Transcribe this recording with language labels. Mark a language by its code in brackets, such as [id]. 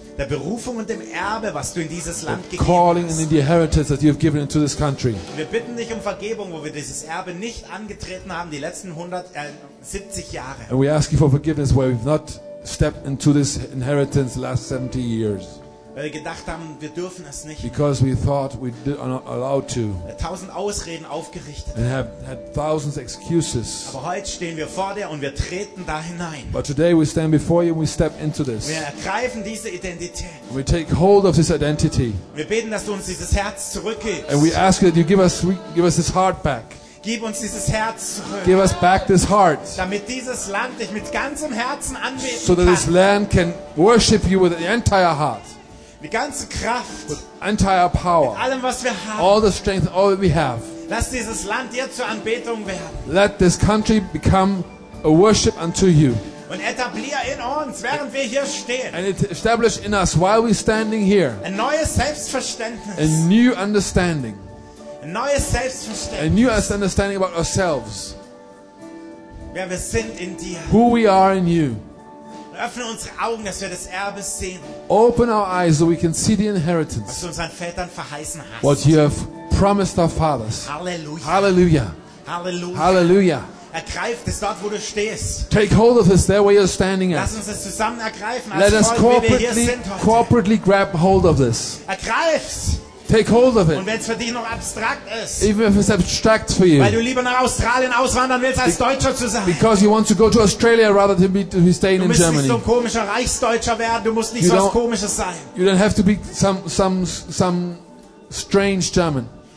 [de] Der Berufung und dem Erbe, was du in dieses Land gegeben hast. [en] Calling and the inheritance that you have given into this country. [de] Wir bitten dich um Vergebung, wo wir dieses Erbe nicht angetreten haben die letzten 170 Jahre. [en] And we ask you for forgiveness where we've not stepped into this inheritance the last 70 years. [de] Weil wir gedacht haben, wir dürfen es nicht. [en] Because we thought we are not allowed to. [de] Tausend Ausreden aufgerichtet. [en] And have had thousands excuses. [de] Aber heute stehen wir vor dir und wir treten da hinein. [en] But today we stand before you and we step into this. [de] Wir ergreifen diese Identität. [en] We take hold of this identity. [de] Wir beten, dass du uns dieses Herz zurückgibst. [en] And we ask that you give us this heart back. [de] Gib uns dieses Herz zurück. [en] Give us back this heart. [de] Damit dieses Land dich mit ganzem Herzen anbeten kann. [en] So that this land can worship you with the entire heart. [de] Die ganze Kraft, [en] with entire power, [de] mit allem, was wir haben, [en] all the strength, all that we have. [de] Lass dieses Land dir zur Anbetung werden. [en] Let this country become a worship unto you. [de] Und etablier in uns, während wir hier stehen. [en] And establish in us while we're standing here. [de] Ein neues Selbstverständnis. [en] A new understanding. [de] Ein neues Selbstverständnis. [en] A new understanding about ourselves. [de] Wer wir sind in dir. [en] Who we are in you. [de] Öffne unsere Augen, dass wir das Erbe sehen. [en] Open our eyes so we can see the inheritance. [de] Was du unseren Vätern verheißen hast. [en] What you have promised our fathers. Halleluja. Halleluja. Halleluja. Halleluja. [de] Ergreif das dort, wo du stehst. [en] Take hold of this there where you're standing at. [de] Lass uns das zusammen ergreifen. [en] Let [de] als [en] us [de] Volk, [en] corporately, [de] wie wir hier sind heute. [en] Corporately grab hold of this. [de] Ergreif's. [en] Take hold of it. [de] Und wenn es für dich noch abstrakt ist. [en] Even if it's abstract for you. [de] Weil du lieber nach Australien auswandern willst als Deutscher zu sein. [en] Because you want to go to Australia rather than be staying in Germany. [de] Du musst nicht so ein komischer Reichsdeutscher werden, du musst nicht so was komisches sein. [en] You don't have to be some strange German.